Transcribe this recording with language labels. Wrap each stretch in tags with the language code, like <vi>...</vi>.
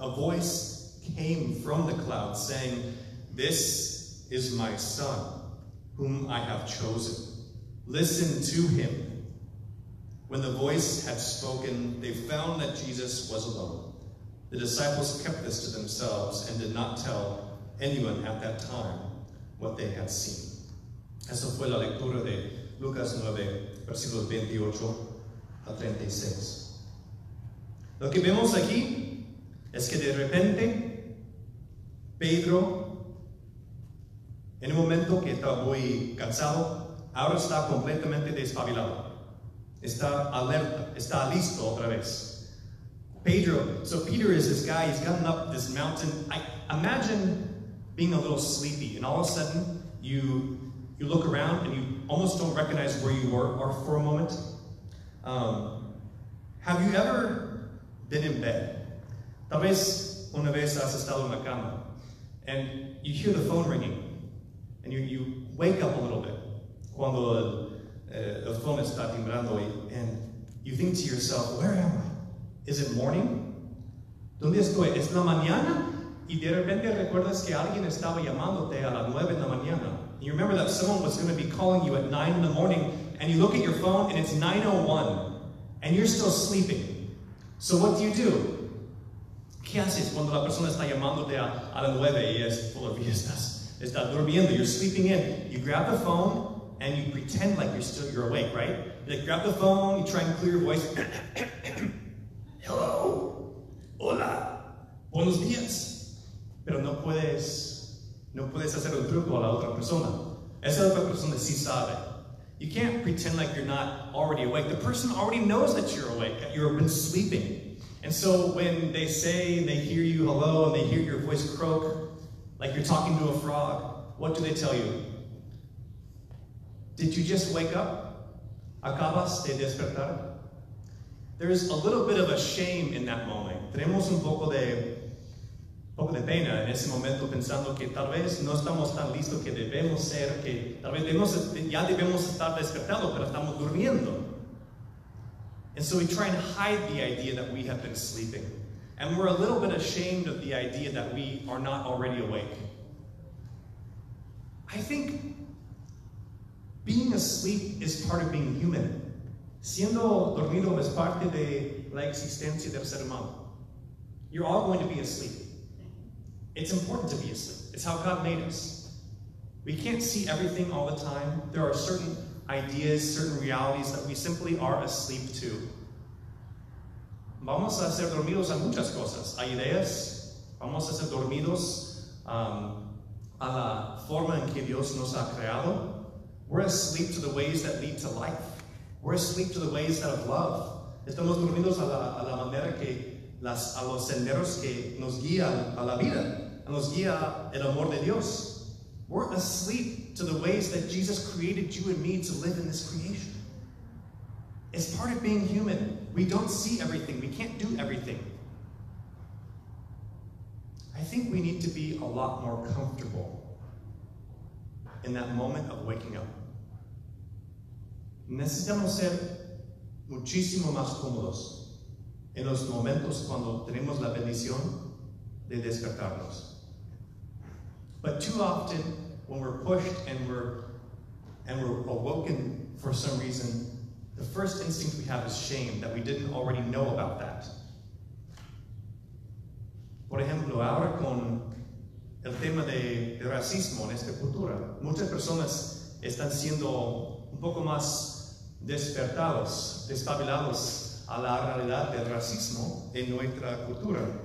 <en>A voice came from the cloud saying, This is my son, whom I have chosen. Listen to him. When the voice had spoken, they found that Jesus was alone. The disciples kept this to themselves and did not tell anyone at that time what they had seen.</en> <es>Eso fue la lectura de Lucas 9, versículos 28 a 36. Lo que vemos aquí es que de repente, Pedro, en un momento que está muy cansado, ahora está completamente despabilado. Está alerta, está listo otra vez.</es> <en>Peter is this guy, he's gotten up this mountain. I imagine being a little sleepy, and all of a sudden you look around and you almost don't recognize where you are for a moment. Have you ever been in bed?</en> <es>Tal vez una vez has estado en la cama,</es> <en>and you hear the phone ringing, and you wake up a little bit</en> <es>cuando el phone está timbrando,</es> <en>and you think to yourself, where am I? Is it morning?</en> <es>¿Dónde estoy? ¿Es la mañana? Y de repente recuerdas que alguien estaba llamándote a las 9 de la mañana.</es> <en>And you remember that someone was going to be calling you at 9 in the morning, and you look at your phone, and it's 9:01. and you're still sleeping. So what do you do?</en> <es>¿Qué haces cuando la persona está llamándote a las 9 y es todavía estás? Está durmiendo,</es> <en>you're sleeping in. You grab the phone and you pretend like you're still, you're awake, right? You grab the phone, you try and clear your voice.</en> <es>Hello? Hola? Buenos días? Pero no puedes hacer un truco a la otra persona. Esa otra persona sí sabe.</es> <en>You can't pretend like you're not already awake. The person already knows that you're awake, that you've been sleeping. And so when they say, they hear you hello, and they hear your voice croak, like you're talking to a frog, what do they tell you? Did you just wake up?</en> <es>¿Acabas de despertar?</es> <en>There's a little bit of a shame in that moment.</en> <es>Tenemos un poco de pena en ese momento pensando que tal vez no estamos tan listos que debemos ser, que tal vez ya debemos estar despertados, pero estamos durmiendo.</es> <en>And so we try and hide the idea that we have been sleeping. And we're a little bit ashamed of the idea that we are not already awake. I think being asleep is part of being human.</en> <es>Siendo dormido es parte de la existencia del ser humano.</es> <en>You're all going to be asleep. It's important to be asleep. It's how God made us. We can't see everything all the time. There are certain ideas, certain realities that we simply are asleep to.</en> <es>Vamos a ser dormidos a muchas cosas. Hay ideas. Vamos a ser dormidos a la forma en que Dios nos ha creado.</es> <en>We're asleep to the ways that lead to life. We're asleep to the ways that of love.</en> <es>Estamos dormidos a la manera que a los senderos que nos guían a la vida, nos guía el amor de Dios.</es> <en>We're asleep to the ways that Jesus created you and me to live in this creation. It's part of being human. We don't see everything. We can't do everything. I think we need to be a lot more comfortable in that moment of waking up.</en> <es>Necesitamos ser muchísimo más cómodos en los momentos cuando tenemos la bendición de despertarnos.</es> <en>But too often, when we're pushed and we're awoken for some reason, the first instinct we have is shame that we didn't already know about that.</en> <es>Por ejemplo, ahora con el tema de racismo en esta cultura, muchas personas están siendo un poco más despertados, despabilados a la realidad del racismo en nuestra cultura.</es>